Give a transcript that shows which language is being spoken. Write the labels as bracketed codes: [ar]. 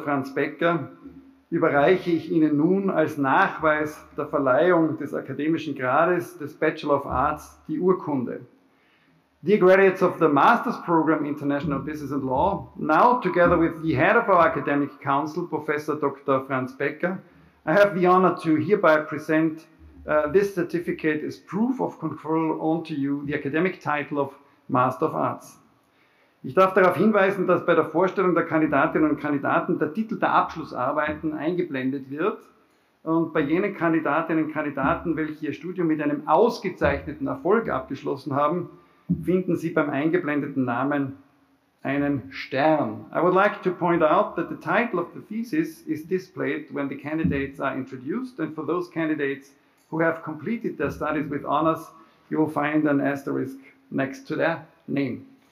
[de] Franz Becker, überreiche ich Ihnen nun als Nachweis der Verleihung des akademischen Grades des Bachelor of Arts die Urkunde. [en] Dear graduates of the Master's Program International Business and Law, now together with the head of our Academic Council, Professor Dr. Franz Becker, I have the honor to hereby present this certificate as proof of conferral onto you, the academic title of Master of Arts. [de] Ich darf darauf hinweisen, dass bei der Vorstellung der Kandidatinnen und Kandidaten der Titel der Abschlussarbeiten eingeblendet wird und bei jenen Kandidatinnen und Kandidaten, welche ihr Studium mit einem ausgezeichneten Erfolg abgeschlossen haben, finden Sie beim eingeblendeten Namen einen Stern. [en] I would like to point out that the title of the thesis is displayed when the candidates are introduced, and for those candidates who have completed their studies with honors, you will find an asterisk next to their name.